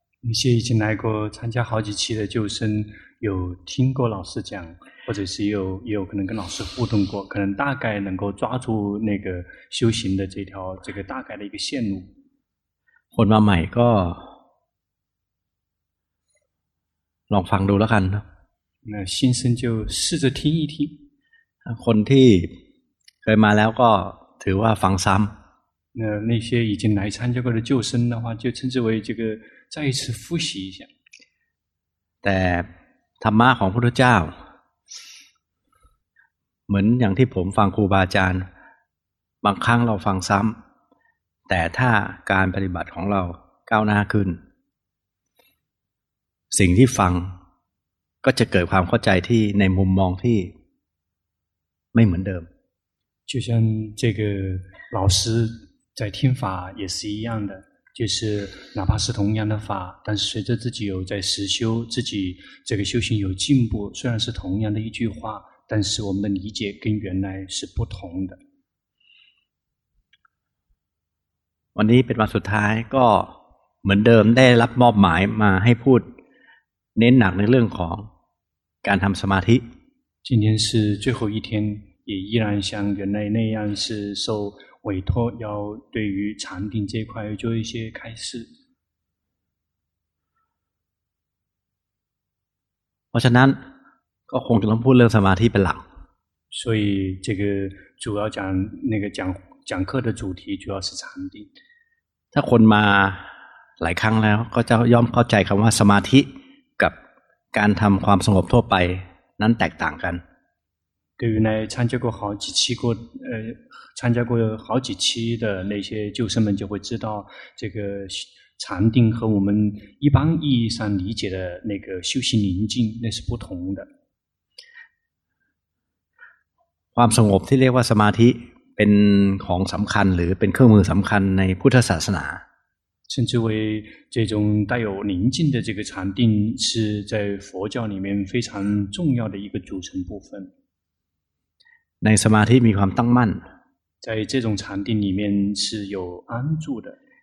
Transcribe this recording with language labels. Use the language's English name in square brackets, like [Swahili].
[Chinese] 那些已经来过参加好几期的旧生有听过老师讲或者是有可能跟老师互动过可能大概能够抓住那个修行的这条这个大概的一个线路 [Thai] คนมาใหม่ก็ลองฟังดูแล้วกันนะ [Chinese] 那新生就试着听一听 [Thai] คนที่เคยมาแล้วก็ถือว่าฟังซ้ำ [Chinese] 那些已经来参加过的旧生的话就称之为这个再一次复习一下 [Thai] แต่ธรรมะของพระพุทธเจ้าเหมือนอย่างที่ผมฟังครูบาอาจารย์บางครั้งเราฟังซ้ำแต่ถ้าการปฏิบัติของเราก้าวหน้าขึ้นสิ่งที่ฟังก็จะเกิดความเข้าใจที่ในมุมมองที่ไม่เหมือนเดิม [Chinese] 就像这个老师在听法也是一样的就是哪怕是同样的法但是随着自己有在实修自己这个修行有进步虽然是同样的一句话但是我们的理解跟原来是不同的 [Thai] วันนี้เป็นวันสุดท้ายก็เหมือนเดิมได้รับมอบหมายมาให้พูดเน้นหนักในเรื่องของการทำสมาธิ [Chinese] 今天是最后一天也依然像原来那样是受委托要对于禅定这块做一些开示 [Thai] เพราะฉะนั้นก็คงจะต้องพูดเรื่องสมาธิเป็นหลัก [Chinese] 所以这个主要讲那个讲讲课的主题主要是禅定 [Thai] ถ้าคนมาหลายครั้งแล้วก็จะย่อมเข้าใจคำว่าสมาธิกับการทำความสงบทั่วไปนั้นแตกต่างกัน [Chinese] 对于来参加过好几期过参加过好几期的那些旧生们就会知道这个禅定和我们一般意义上理解的那个修行宁静那是不同的 [Thai] ความสงบที่เรียกว่าสมาธิเป็นของสำคัญหรือเป็นเครื่องมือสำคัญในพุทธศาสนา [Chinese] 甚至为这种带有宁静的这个禅定是在佛教里面非常重要的一个组成部分 [Thai] ในสมาธิมีความตั้งมั่น [Chinese] 在这种禅定里面是有安住的